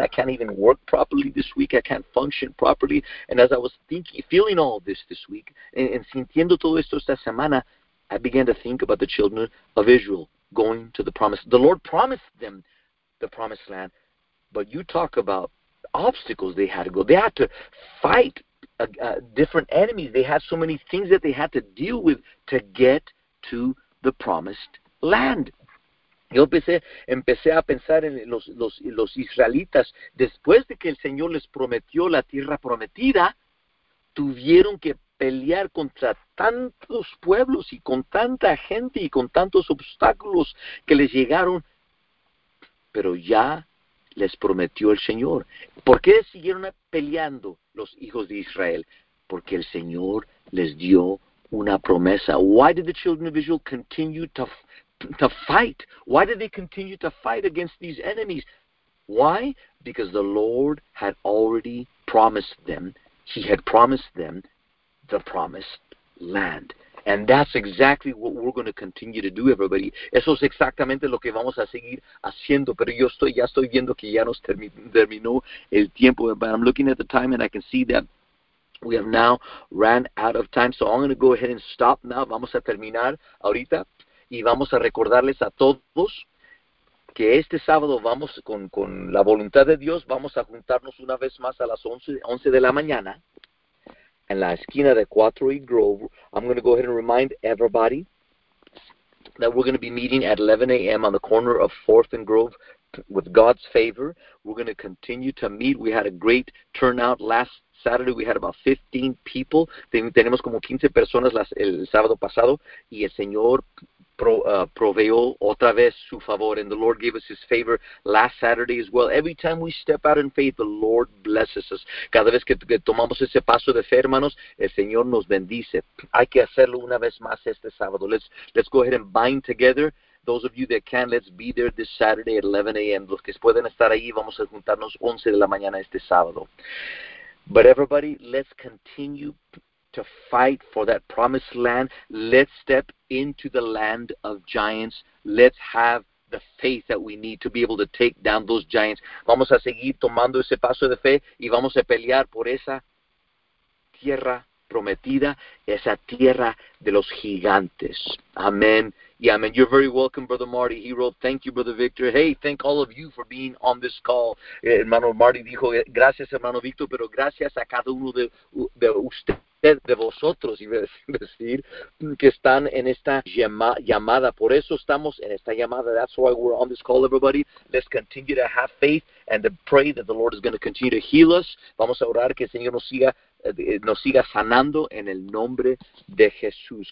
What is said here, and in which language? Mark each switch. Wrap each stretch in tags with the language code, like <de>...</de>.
<en>I can't even work properly this week. I can't function properly. And as I was feeling all this week, and</en> <es>sintiendo todo esto esta semana,</es> <en>I began to think about the children of Israel going to the promised. The Lord promised them the promised land, but you talk about obstacles they had to go. They had to fight different enemies. They had so many things that they had to deal with to get to the promised land.</en> <es>Yo empecé a pensar en los israelitas. Después de que el Señor les prometió la tierra prometida, tuvieron que pelear contra tantos pueblos y con tanta gente y con tantos obstáculos que les llegaron, pero ya les prometió el Señor. ¿Por qué siguieron peleando los hijos de Israel? Porque el Señor les dio una promesa.</es> <en>Why did the children of Israel continue to fight? Why did they continue to fight against these enemies? Why? Because the Lord had already promised them. He had promised them the promised land. And that's exactly what we're going to continue to do, everybody.</en> <es>Eso es exactamente lo que vamos a seguir haciendo. Pero ya estoy viendo que ya nos terminó el tiempo.</es> <en>But I'm looking at the time and I can see that we have now ran out of time. So I'm going to go ahead and stop now.</en> <es>Vamos a terminar ahorita. Y vamos a recordarles a todos que este sábado vamos con la voluntad de Dios. Vamos a juntarnos una vez más a las 11 de la mañana. En la esquina de 4 y Grove,</es> <en>I'm going to go ahead and remind everybody that we're going to be meeting at 11 a.m. on the corner of 4th and Grove with God's favor. We're going to continue to meet. We had a great turnout last Saturday. We had about 15 people.</en> <es>Tenemos como 15 personas el sábado pasado. Y el Señor proveyó otra vez su favor,</es> <en>and the Lord gave us his favor last Saturday as well. Every time we step out in faith, the Lord blesses us.</en> <es>Cada vez que tomamos ese paso de fe, hermanos, el Señor nos bendice. Hay que hacerlo una vez más este sábado.</es> <en>Let's go ahead and bind together. Those of you that can, let's be there this Saturday at 11 a.m.</en> <es>Los que pueden estar ahí, vamos a juntarnos 11 de la mañana este sábado.</es> <en>But everybody, let's continue to fight for that promised land. Let's step into the land of giants. Let's have the faith that we need to be able to take down those giants.</en> <es>Vamos a seguir tomando ese paso de fe y vamos a pelear por esa tierra prometida, esa tierra de los gigantes.</es> <en>Amen. Yeah, man, you're very welcome, Brother Marty. He wrote, thank you, Brother Victor. Hey, thank all of you for being on this call.</en> <es>Hermano Marty dijo, gracias, hermano Victor, pero gracias a cada uno de ustedes, de vosotros, iba a decir, que están en esta llamada. Por eso estamos en esta llamada.</es> <en>That's why we're on this call, everybody. Let's continue to have faith and to pray that the Lord is going to continue to heal us.</en> <es>Vamos a orar que el Señor nos siga sanando en el nombre de Jesús.</es>